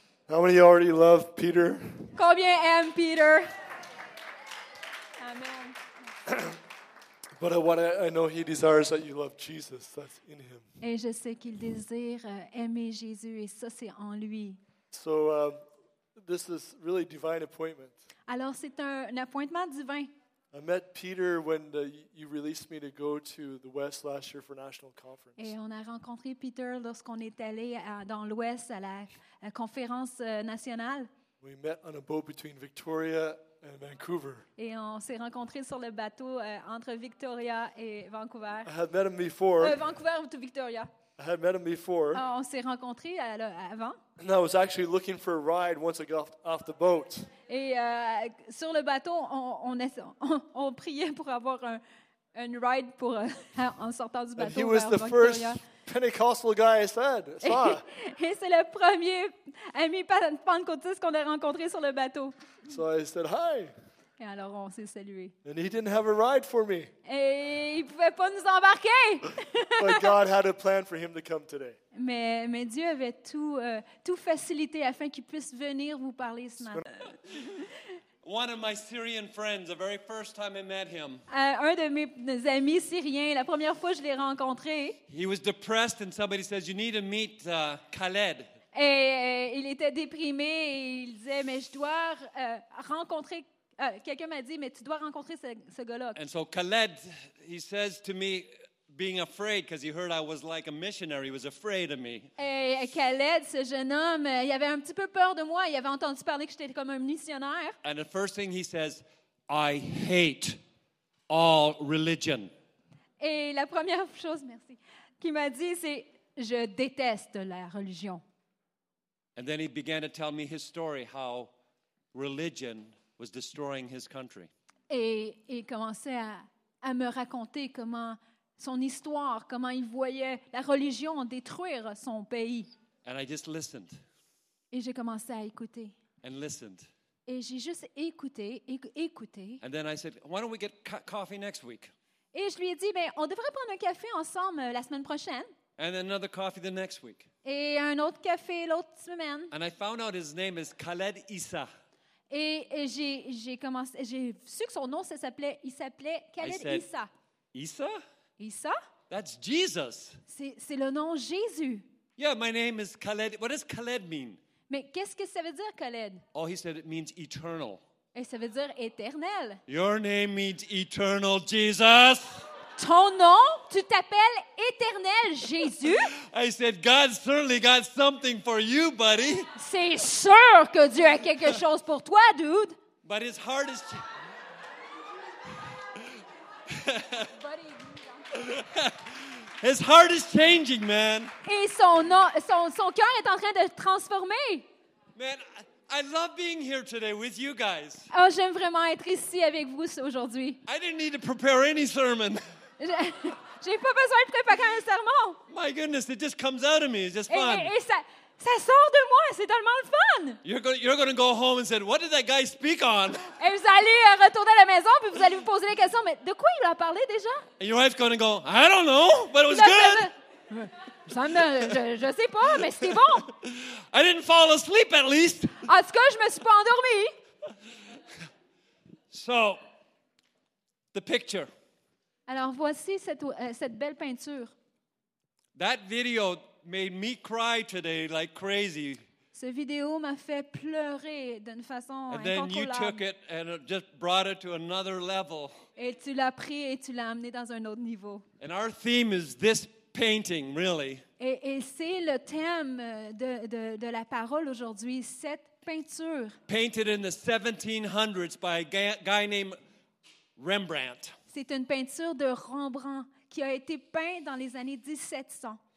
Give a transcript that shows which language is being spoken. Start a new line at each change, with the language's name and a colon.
English: How many already love Peter?
French: Combien aiment Peter? Amen.
English: But what I know he desires that you love Jesus. That's in him.
French: Et je sais qu'il désire aimer Jésus, et ça c'est en lui.
English: So this is really divine appointment.
French: Alors c'est un appointement divin.
English: I met Peter when you released me to go to the West last year for national conference.
French: Et on a rencontré Peter lorsqu'on est allé dans l'Ouest à la conférence nationale.
English: We met on a boat between Victoria. And Vancouver.
French: Et on s'est rencontrés sur le bateau entre Victoria et Vancouver.
English: I had met him before.
French: Vancouver ou Victoria.
English: I had met him before.
French: On s'est rencontrés avant.
English: And I was actually looking for a ride once I got off the boat.
French: Et sur le bateau, on priait pour avoir un ride pour en sortant du bateau.
English: And he was the first Pentecostal guy I said.
French: Et c'est le premier ami pentecôtiste qu'on a rencontré sur le bateau.
English: So I said hi.
French: Et alors on s'est salué.
English: And he didn't have a ride for me.
French: Et il pouvait pas nous embarquer.
English: But God had a plan for him to come today.
French: Mais Dieu avait tout facilité afin qu'il puisse venir vous parler ce matin.
English: One of my Syrian friends, the very first time I met him.
French: Un de mes amis syriens, la première fois que je l'ai rencontré.
English: He was depressed, and somebody says, "You need to meet Khaled."
French: Et il était déprimé. Et il disait, "Mais je dois rencontrer." Quelqu'un m'a dit, "Mais tu dois rencontrer ce gars-là."
English: And so Khaled, he says to me, being afraid because he heard I was like a missionary. He was afraid of me.
French: Et Khaled, ce jeune homme, il avait un petit peu peur de moi. Il avait entendu parler que j'étais comme un missionnaire.
English: And the first thing he says, I hate all religion.
French: Et la première chose, merci, qu'il m'a dit, c'est je déteste la religion.
English: And then he began to tell me his story, how religion was destroying his country.
French: Et il commençait à me raconter comment son histoire, comment il voyait la religion détruire son pays.
English: And I just listened.
French: Et j'ai commencé à écouter.
English: And listened.
French: Et j'ai juste écouté, écouté.
English: And then I said, why don't we get coffee next week?
French: Et je lui ai dit, ben, on devrait prendre un café ensemble la semaine prochaine.
English: And another coffee the next week.
French: Et un autre café l'autre semaine.
English: And I found out his name is Khaled Issa.
French: Et j'ai su que son nom s'appelait Khaled Issa. Issa? Issa?
English: That's Jesus.
French: C'est le nom Jésus.
English: Yeah, my name is Khaled. What does Khaled mean?
French: Mais qu'est-ce que ça veut dire Khaled?
English: Oh, he said it means eternal.
French: Et ça veut dire éternel.
English: Your name means eternal Jesus.
French: Ton nom, tu t'appelles éternel Jésus?
English: I said, God certainly got something for you, buddy.
French: C'est sûr que Dieu a quelque chose pour toi, dude.
English: But his heart is... His heart is changing, man.
French: Et son cœur est en train de transformer.
English: Man, I love being here today with you guys.
French: Oh, j'aime vraiment être ici avec vous aujourd'hui.
English: I didn't need to prepare any sermon.
French: J'ai pas besoin de préparer un sermon.
English: My goodness, it just comes out of me. It's just fun.
French: Ça sort de moi. C'est tellement fun.
English: You're going to go home and say, what did that guy speak on?
French: Et vous allez retourner à la maison puis vous allez vous poser les questions. Mais de quoi il a parlé déjà?
English: And your wife's going to go, I don't know, but it was good.
French: Je sais pas, mais c'était bon.
English: I didn't fall asleep at least.
French: En tout cas, je me suis pas endormi.
English: So, the picture.
French: Alors voici cette belle peinture.
English: That video made me cry today like crazy.
French: Ce vidéo m'a fait pleurer d'une façon incroyable.
English: And then you took it and it just brought it to another level.
French: Et tu l'as pris et tu l'as amené dans un autre niveau.
English: And our theme is this painting, really.
French: Et c'est le thème de la parole aujourd'hui, cette peinture.
English: Painted in the 1700s by a guy named Rembrandt.
French: C'est une peinture de Rembrandt qui a été peinte dans les années 1700.